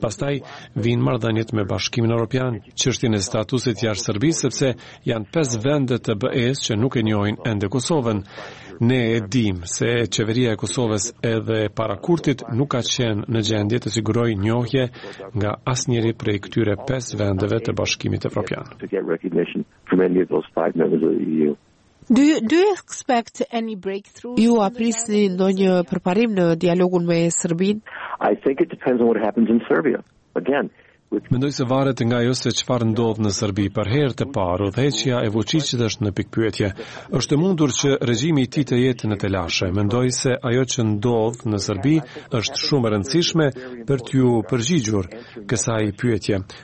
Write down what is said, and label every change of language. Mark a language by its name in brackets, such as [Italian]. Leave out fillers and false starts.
[Albanian] Pastaj, vinë marrëdhëniet me Bashkimin Evropian, çështjen e statusit jashtë Serbisë, sepse janë 5 vende të BE-s që nuk e njohin ende Kosovën. Ne e dim se qeveria e Kosovës edhe para kurtit nuk ka qenë në gjendje të siguroj njohje nga asnjëri prej këtyre 5 vendeve të Bashkimit Evropian. [English] Do you expect any breakthrough? [Albanian] Ju aprisni ndonjë përparim në dialogun me Serbinë? [English] I think it depends on what happens in Serbia. Again, [Albanian] mendoj se varet nga ajo se çfarë ndodh në Serbi. Për herë të parë, udhëheqja e Vučićit është në pikpyetje. Është mundur që regjimi i tij të jetë në telashe. Mendoj se ajo që ndodh në Serbi është shumë e rëndësishme për t'ju përgjigjur kësaj pyetje.